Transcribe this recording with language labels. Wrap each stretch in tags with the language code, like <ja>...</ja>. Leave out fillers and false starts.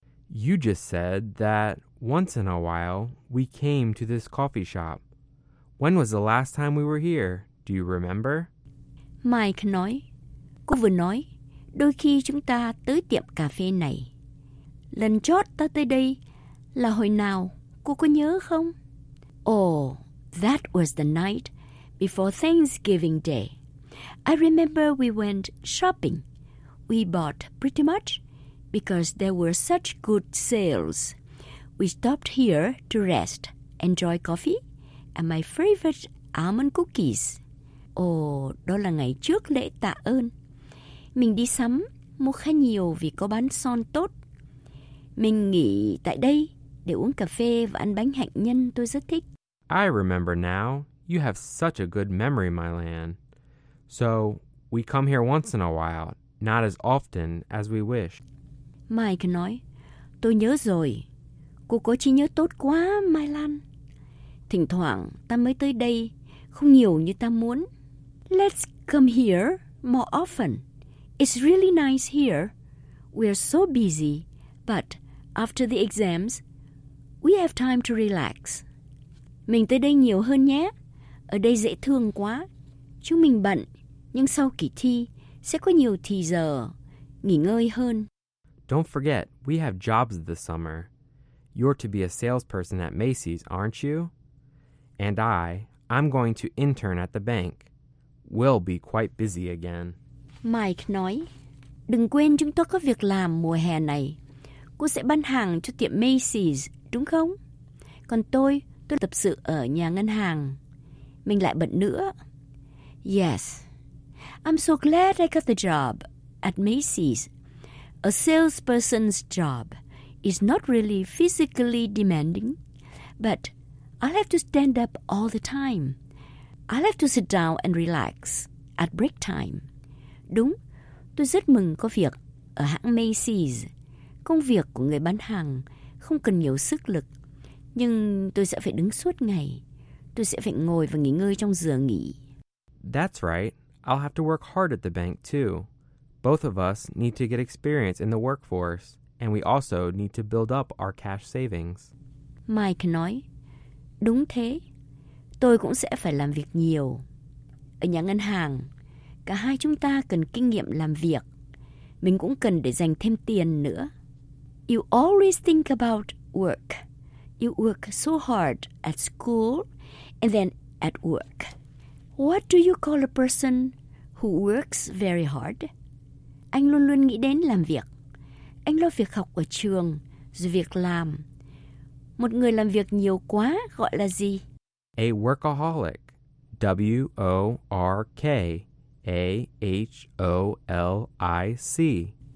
<en>You just said that once in a while we came to this coffee shop. When was the last time we were here? Do you remember?</en> <vi>Mike nói, cô vừa nói, đôi khi chúng ta tới tiệm cà phê này. Lần chót ta tới đây là hồi nào, cô có nhớ không?</vi> <en>Oh, that was the night before Thanksgiving Day. I remember we went shopping. We bought pretty much because there were such good sales. We stopped here to rest, enjoy coffee, and my favorite almond cookies.</en> <vi>Oh, đó là ngày trước lễ tạ ơn. Mình đi sắm, mua khá nhiều vì có bán son tốt. Mình nghỉ tại đây để uống cà phê và ăn bánh hạnh nhân tôi rất thích.</vi> <en>I remember now. You have such a good memory, Mylan. So, we come here once in a while, not as often as we wish.</en> <vi>Mike nói, tôi nhớ rồi. Cô có trí nhớ tốt quá, Mylan. Thỉnh thoảng, ta mới tới đây, không nhiều như ta muốn.</vi> <en>Let's come here more often. It's really nice here. We're so busy, but after the exams, we have time to relax.</en> <vi>Mình tới đây nhiều hơn nhé. Ở đây dễ thương quá. Chúng mình bận, nhưng sau kỳ thi sẽ có nhiều thì giờ nghỉ ngơi hơn.</vi> <en>Don't forget, we have jobs this summer. You're to be a salesperson at Macy's, aren't you? And I'm going to intern at the bank. We'll be quite busy again.</en> <vi>Mike nói, đừng quên chúng tôi có việc làm mùa hè này. Cô sẽ bán hàng cho tiệm Macy's, đúng không? Còn tôi tập sự ở nhà ngân hàng. Mình lại bận nữa.</vi> <en>Yes, I'm so glad I got the job at Macy's. A salesperson's job is not really physically demanding, but I'll have to stand up all the time. I'll have to sit down and relax at break time.</en> <vi>Đúng, tôi rất mừng có việc ở hãng Macy's. Công việc của người bán hàng không cần nhiều sức lực, nhưng tôi sẽ phải đứng suốt ngày. Tôi sẽ phải ngồi và nghỉ ngơi trong giờ nghỉ.</vi> <en>That's right. I'll have to work hard at the bank too. Both of us need to get experience in the workforce, and we also need to build up our cash savings.</en> <vi>Mike nói, đúng thế. Tôi cũng sẽ phải làm việc nhiều. Ở nhà ngân hàng, cả hai chúng ta cần kinh nghiệm làm việc. Mình cũng cần để dành thêm tiền nữa.</vi> <en>You always think about work. You work so hard at school. And then at work. What do you call a person who works very hard?</en> <vi>Anh luôn luôn nghĩ đến làm việc. Anh lo việc học ở trường, rồi việc làm. Một người làm việc nhiều quá gọi là gì?</vi> <en>A workaholic. W-O-R-K-A-H-O-L-I-C.</en>